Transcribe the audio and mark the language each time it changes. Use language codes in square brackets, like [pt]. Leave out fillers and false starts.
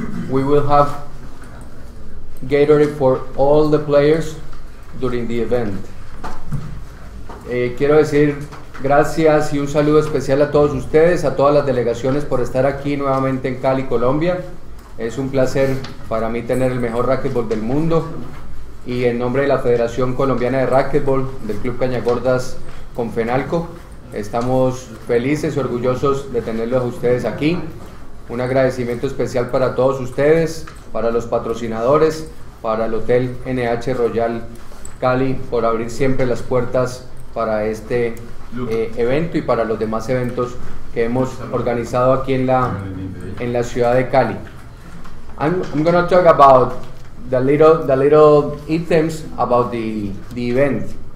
[en] We will have Gatorade for all the players during the event. [es] Quiero decir gracias y un saludo especial a todos ustedes, a todas las delegaciones por estar aquí nuevamente en Cali, Colombia. Es un placer para mí tener el mejor racquetball del mundo. Y en nombre de la Federación Colombiana de Racquetball, del Club Cañacordas Confenalco, estamos felices y orgullosos de tenerlos a ustedes aquí. Un agradecimiento especial para todos ustedes, para los patrocinadores, para el Hotel NH Royal Cali, por abrir siempre las puertas para este evento y para los demás eventos que hemos organizado aquí en la ciudad de Cali. [en] I'm going to talk about the little items about the event.